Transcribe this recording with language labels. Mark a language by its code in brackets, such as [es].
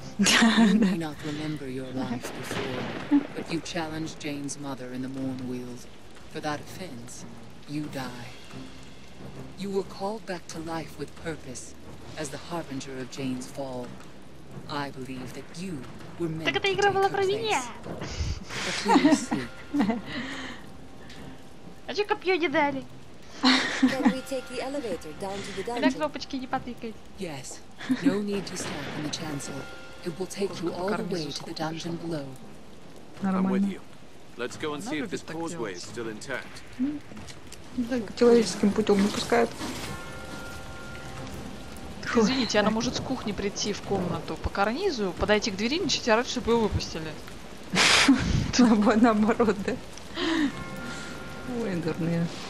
[en] You may not remember your life before, but you challenged Jane's mother in the Mournweald. For that offense, you die. You were called back to life with purpose. As the harbinger of Jane's fall, I believe that you were meant to take her place. [ru] Так эта игра была про меня! А чё копьё не дали? [en] Can we take the elevator down to the dungeon? [ru] Когда кнопочки не потыкают? [en] Yes. No need to stop in the chancel. It will take you all the way to the dungeon below. [ru] Нормально. [en] I'm with you. Let's go and see if this causeway is still intact. [ru] Человеческим путём не пускают. Извините, она может с кухни прийти в комнату по карнизу, подойти к двери, начать орать, чтобы ее выпустили. Наоборот, да? Ой, дурные.